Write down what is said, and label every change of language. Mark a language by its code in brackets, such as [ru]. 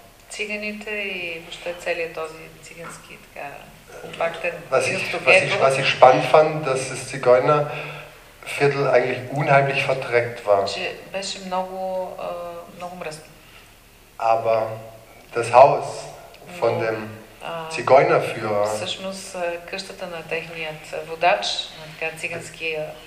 [bg] циганите и въобще целият този цигански така компактен [de] Was ich spannend fand, dass das Zigeunerviertel eigentlich unheimlich verdreckt war. [bg] Беше много много мръсно. [de] Aber das Haus von dem Zigeunerführer. [bg] Всъщност къщата на техният водач, на така циганския